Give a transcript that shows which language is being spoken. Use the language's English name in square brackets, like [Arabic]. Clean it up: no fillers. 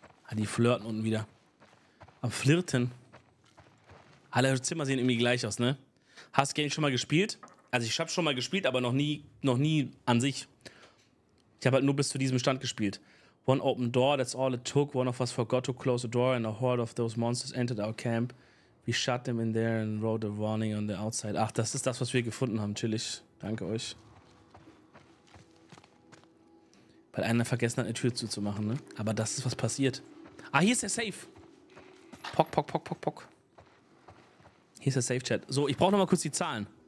[German] Ah, die flirten unten wieder. Am Flirten. Alle Zimmer sehen irgendwie gleich aus, ne? Hast du schon mal gespielt? Also ich hab's schon mal gespielt, aber noch nie an sich. Ich habe halt nur bis zu diesem Stand gespielt. [English] One open door, that's all it took. One of us forgot to close the door and a horde of those monsters entered our camp. We shut them in there and wrote a warning on the outside. [German] Ach, das ist das, was wir gefunden haben. Chillig. Danke euch. Weil einer vergessen hat, eine Tür zuzumachen, ne? Aber das ist, was passiert. Ah, hier ist der Safe. Pock, pock, pock, pock, pock. Hier ist der Safe-Chat. So, ich brauche noch mal kurz die Zahlen.